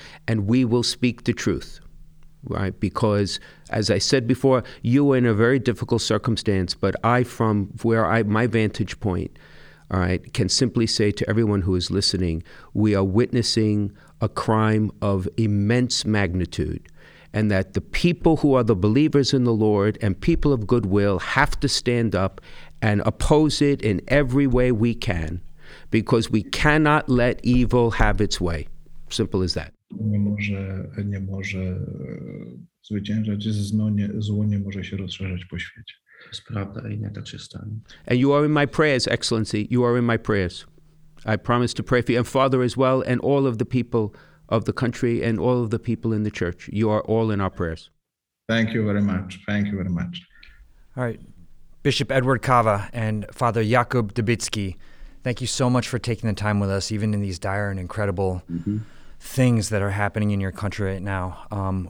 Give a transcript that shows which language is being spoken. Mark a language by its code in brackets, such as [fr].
[en] And we will speak the truth, right? Because, as I said before, you are in a very difficult circumstance, but I, from where I, my vantage point, all right, can simply say to everyone who is listening, we are witnessing a crime of immense magnitude. And that the people who are the believers in the Lord and people of goodwill have to stand up and oppose it in every way we can, because we cannot let evil have its way. Simple as that. [pl] Nie może zwyciężać, zło nie może się rozszerzać po świecie. To jest prawda i nie tak się stanie. [en] And you are in my prayers, Excellency. You are in my prayers. I promise to pray for you, and Father as well, and all of the people of the country and all of the people in the church. You are all in our prayers. Thank you very much. Thank you very much. All right. Bishop Edward Cava and Father Jakub Dubicki, thank you so much for taking the time with us, even in these dire and incredible things that are happening in your country right now.